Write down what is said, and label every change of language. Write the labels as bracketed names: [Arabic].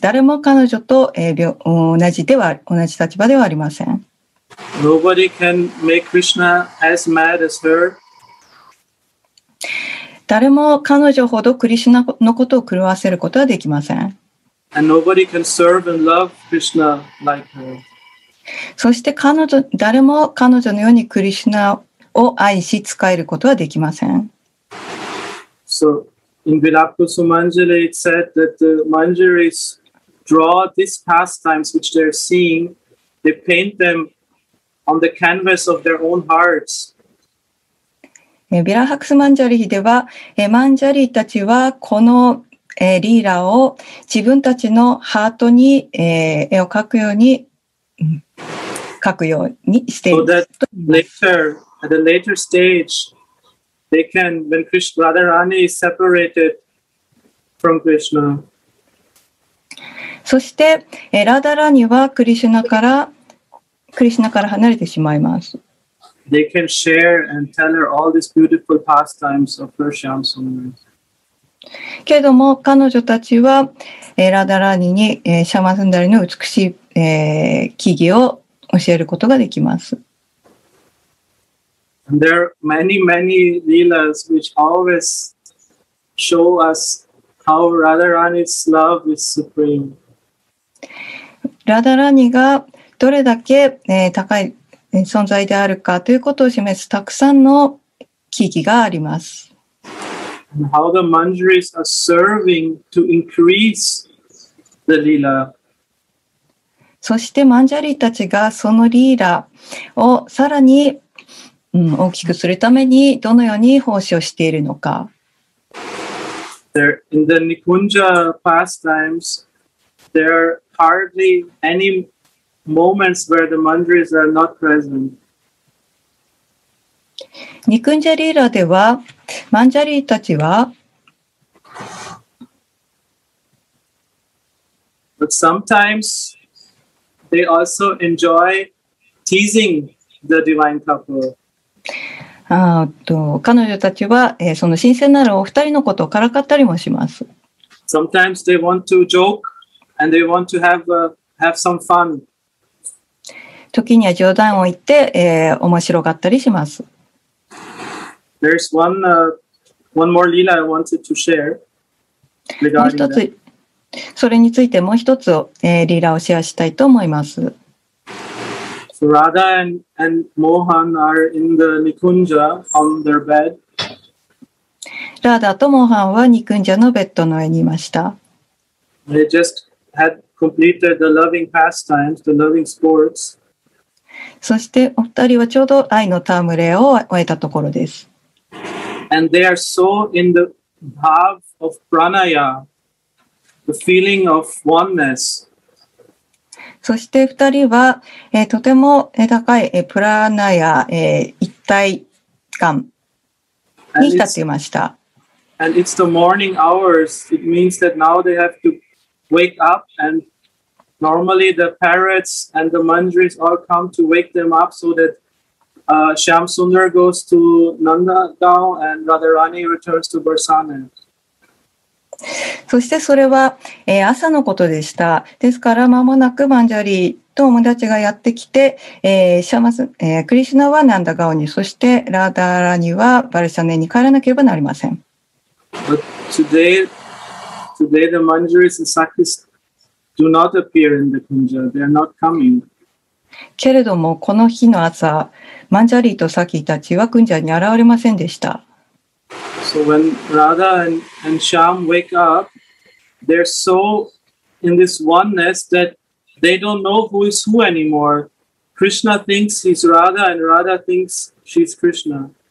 [Japanese] 誰も彼女と、同じ立場ではありません。 [English] Nobody can make Krishna as mad as her. [Japanese] 誰も彼女ほどクリシュナのことを狂わせることはできません。 [English] And nobody can serve and love Krishna like her. [Japanese] そして誰も彼女のようにクリシュナを愛し仕えることはできません。 [English] So, in Virakusu Manjari, it said that the Manjaris draw these pastimes which they're seeing, they paint them on the canvas of their own hearts. [Japanese] Virakusu Manjari では、マンジャリたちはこのリーラを自分たちのハートに絵を描くように書くようにしている。 [English] So that later, at a later stage, they can, when Krishna, Radharani is separated from Krishna. [Japanese] そして、ラダラニはクリシュナから離れてしまいます。 [English] They can share and tell her all these beautiful pastimes of Parshyamsundara. [Japanese] けれども、彼女たちは、ラダラニに、シャマスンダリの美しい木々を教えることができます。 [English] And there are many, many leelas which always show us how Radharani's love is supreme. [Japanese] Radharani がどれだけ、高い存在であるかということを示すたくさんの奇跡があります。 [English] And how the manjaris are serving to increase the leela. [Japanese] そしてマンジャリたちがそのリーラをさらに、大きくするためにどのように奉仕をしているのか。 [English] In the Nikunja pastimes, there are hardly any moments where the mandris are not present. [Japanese] Nikunja リーラでは、マンジャリたちは、 [English] But sometimes,They also enjoy teasing the divine couple. [Japanese] 彼女たちは、その神聖なるお二人のことをからかったりもします。 [English] Sometimes they want to joke and they want to have some fun. [Japanese] 時には冗談を言って、面白かったりします。 [English] There's one more leela I wanted to share regarding that. [Japanese] それについてもう一つ、リーラをシェアしたいと思います。 [English] So、Radha and Mohan are in the Nikunja on their bed. [Japanese] Radha と Mohan はニクンジャのベッドの上にいました。 [English] They just had completed the loving pastimes, the loving sports. [Japanese] そしてお二人はちょうど愛の戯れを終えたところです。 [English] And they are so in the bhav of pranaya. The feeling of oneness. [Japanese] そして二人は、とても高い、プラーナや、一体感に浸っていました。 [English] And it's the morning hours. It means that now they have to wake up and normally the parrots and the mandris all come to wake them up so that, Shyam Sundar goes to Nandagaon and Radharani returns to Barsana. [Japanese] そしてそれは、朝のことでした。ですから間もなくマンジャリーと友達がやってきて、クリシュナはナンダガオニ、そしてラーダーラニはバルシャネに帰らなければなりません。 [English] But today the manjaris and sakis do not appear in the kunja. They are not coming. [Japanese] けれどもこの日の朝、マンジャリーとサキたちはクンジャに現れませんでした。 [English] So when Radha and Shyam wake up, they're so in this oneness that they don't know who is who anymore. Krishna thinks he's Radha and Radha thinks she's Krishna.